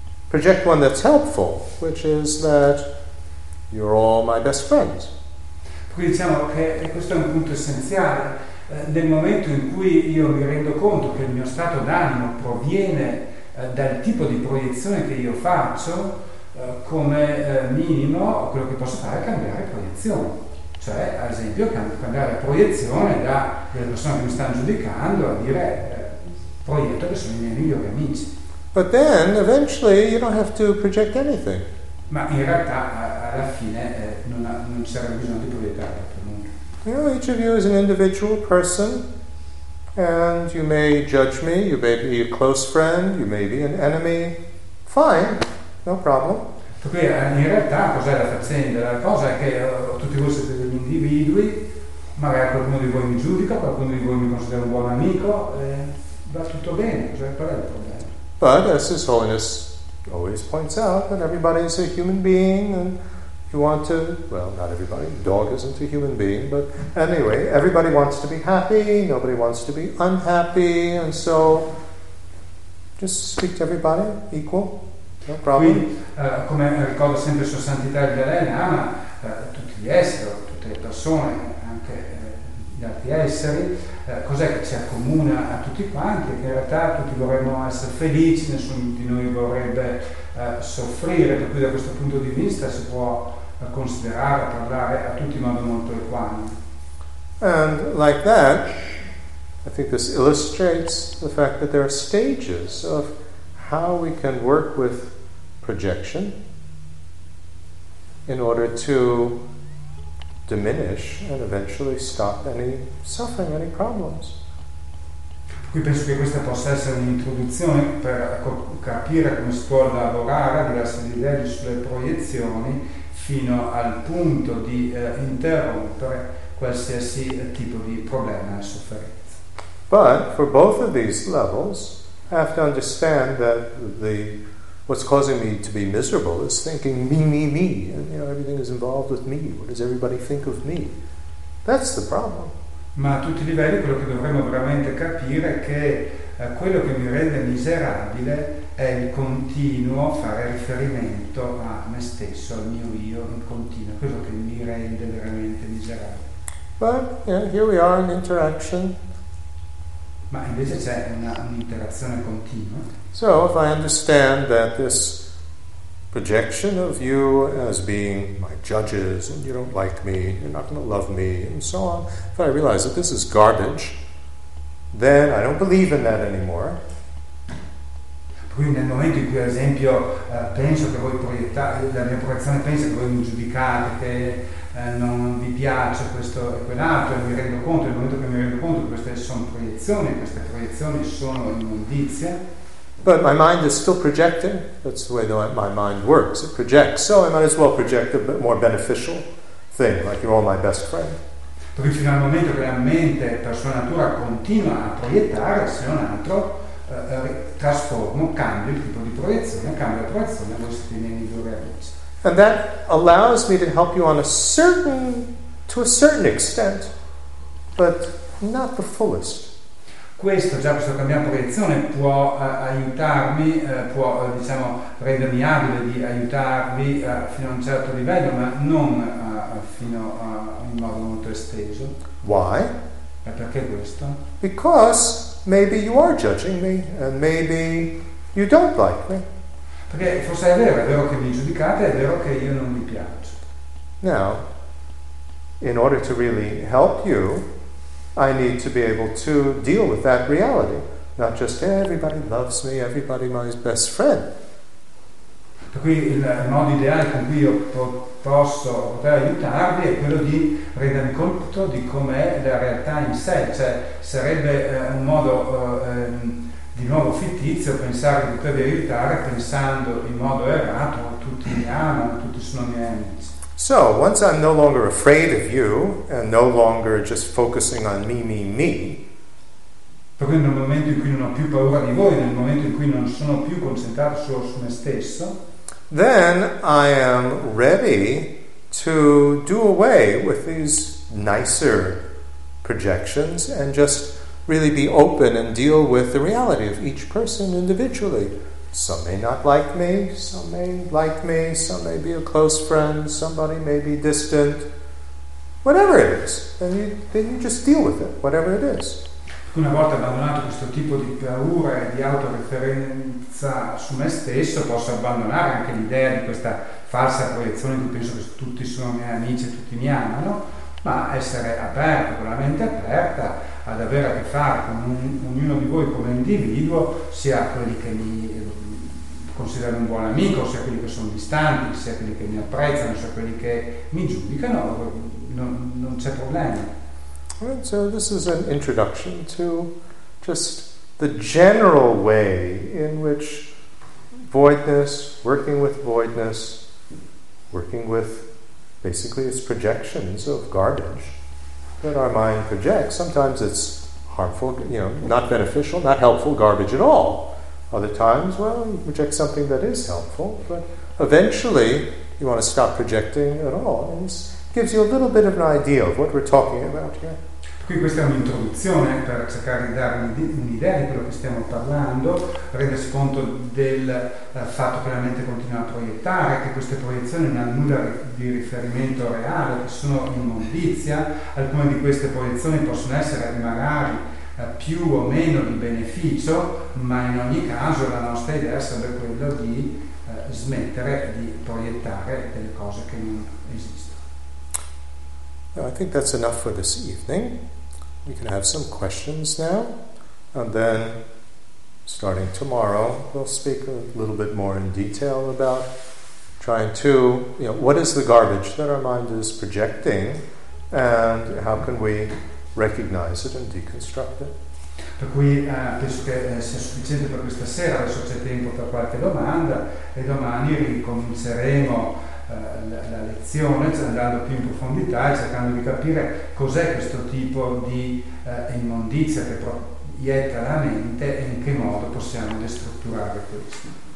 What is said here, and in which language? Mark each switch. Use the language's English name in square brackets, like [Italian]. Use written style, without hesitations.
[English] Project one that's helpful, which is that you're all my best friends. [Italian] Quindi diciamo che questo è un punto essenziale. Nel momento in cui io mi rendo conto che il mio stato d'animo proviene dal tipo di proiezione che io faccio, come minimo quello che posso fare è cambiare proiezione. Cioè, ad esempio, cambiare proiezione da quelle persone che mi stanno giudicando a dire proietto che sono i miei migliori amici. [English] But then, eventually, you don't have to project anything. [Italian] Ma in realtà, alla fine, non c'era bisogno di proiettare. [English] You know, each of you is an individual person, and you may judge me, you may be a close friend, you may be an enemy. Fine, no problem. [Italian] In realtà, cos'è la faccenda? La cosa è che tutti voi siete degli individui, magari qualcuno di voi mi giudica, qualcuno di voi mi considera un buon amico, va tutto bene, cioè, qual è il problema? [English] But, as His Holiness always points out, that everybody is a human being, and you want to, well, not everybody, dog isn't a human being, but anyway, everybody wants to be happy, nobody wants to be unhappy, and so just speak to everybody, equal, no problem. [Italian] Quindi, come ricordo sempre Sua Santità di Elena, ama tutti gli esseri, tutte le persone, anche gli altri esseri, cos'è che ci accomuna a tutti quanti? Che in realtà tutti vorremmo essere felici, nessuno di noi vorrebbe soffrire, per cui da questo punto di vista si può considerare, parlare a tutti in modo molto equanime. [English] And like that, I think this illustrates the fact that there are stages of how we can work with projection in order to diminish and eventually stop any suffering, any problems. [Italian] Qui penso che questa possa essere un'introduzione per capire come si può lavorare diverse livelli sulle proiezioni fino al punto di interrompere qualsiasi tipo di problema e sofferenza. [English] But for both of these levels, I have to understand that what's causing me to be miserable is thinking me, me, me, and you know everything is involved with me. What does everybody think of me? That's the problem. [Italian] Ma a tutti i livelli quello che dovremmo veramente capire è che quello che mi rende miserabile è il continuo fare riferimento a me stesso, al mio io in continuo, quello che mi rende veramente miserabile. [English] But yeah, here we are in interaction. [Italian] Ma invece c'è un'interazione continua. [English] So if I understand that this projection of you as being my judges and you don't like me, you're not going to love me and so on, if I realize that this is garbage, then I don't believe in that anymore. [Italian] Quindi nel momento in cui, ad esempio, penso che voi proiettate, la mia proiezione pensa che voi mi giudicate, che non vi piace questo e quell'altro, e mi rendo conto, nel momento che mi rendo conto che queste proiezioni sono immondizie. [English] But my mind is still projecting. That's the way my mind works. It projects. So I might as well project a bit more beneficial thing, like you're all my best friend. [Italian] Perché fino al momento che la mente, per sua natura, continua a proiettare, se non altro, trasformo, cambio il tipo di proiezione, cambio la proiezione, voi siete i miei migliori amici. [English] And that allows me to help you to a certain extent, but not the fullest. [Italian] Questo, già questo cambiare proiezione può aiutarmi, può diciamo rendermi abile di aiutarvi fino a un certo livello, ma non fino a in modo molto esteso. [English] Why? [Italian] E perché questo? [English] Because maybe you are judging me and maybe you don't like me. [Italian] Perché forse è vero che mi giudicate, è vero che io non vi piaccio. [English] Now, in order to really help you, I need to be able to deal with that reality. Not just everybody loves me, everybody my best friend. [Italian] Per cui il modo ideale con cui io posso poter aiutarvi è quello di rendermi conto di com'è la realtà in sé. Cioè, sarebbe un modo di nuovo fittizio pensare di potervi aiutare pensando in modo errato, tutti mi amano, tutti sono miei amici. [English] So, once I'm no longer afraid of you, and no longer just focusing on me, me, me, [Italian] Per cui nel momento in cui non ho più paura di voi, nel momento in cui non sono più concentrato solo su me stesso, [English] then I am ready to do away with these nicer projections and just really be open and deal with the reality of each person individually. Some may not like me, some may like me, some may be a close friend, somebody may be distant. Whatever it is, then you just deal with it, whatever it is. [Italian] Una volta abbandonato questo tipo di paura e di autoreferenza su me stesso, posso abbandonare anche l'idea di questa falsa proiezione che penso che tutti sono miei amici e tutti mi amano, ma essere aperto, con la mente aperta, ad avere a che fare con ognuno di voi come individuo, sia quelli che mi considerano un buon amico, sia quelli che sono distanti, sia quelli che mi apprezzano, sia quelli che mi giudicano, non c'è problema. [English] Right, so this is an introduction to just the general way in which voidness, working with voidness, working with basically its projections of garbage that our mind projects. Sometimes it's harmful, you know, not beneficial, not helpful garbage at all. Other times, well, you project something that is helpful, but eventually you want to stop projecting at all. And this gives you a little bit of an idea of what we're talking about here. [Italian] Qui questa è un'introduzione per cercare di dare un'idea di quello che stiamo parlando, rendersi conto del fatto che la mente continua a proiettare, che queste proiezioni non hanno nulla di riferimento reale, che sono immondizia. Alcune di queste proiezioni possono essere magari più o meno di beneficio, ma in ogni caso la nostra idea sarebbe quella di smettere di proiettare delle cose che non esistono. [English] I think that's enough for this evening. We can have some questions now, and then starting tomorrow we'll speak a little bit more in detail about trying to, you know, what is the garbage that our mind is projecting and how can we recognize it and deconstruct it. [Italian] Per cui penso che sia sufficiente per questa sera, adesso c'è tempo per qualche domanda e domani ricominceremo la lezione, cioè andando più in profondità e cercando di capire cos'è questo tipo di immondizia che proietta la mente e in che modo possiamo destrutturare questo.